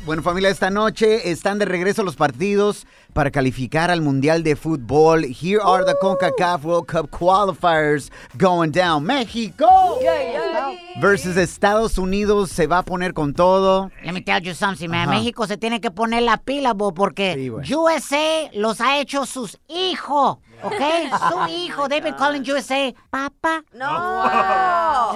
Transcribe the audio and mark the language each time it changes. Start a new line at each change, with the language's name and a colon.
Spanish: Bueno, familia, esta noche están de regreso los partidos para calificar al Mundial de Fútbol.
English: Here are the CONCACAF World Cup qualifiers going down.
Spanish: ¡México! Versus Estados Unidos se va a poner con todo.
English: Let me tell you something, man. Uh-huh.
Spanish: México se tiene que poner la pila, bo, porque USA los ha hecho sus hijos.
English: Okay,
Spanish: su hijo,
English: they've been calling USA papa. No.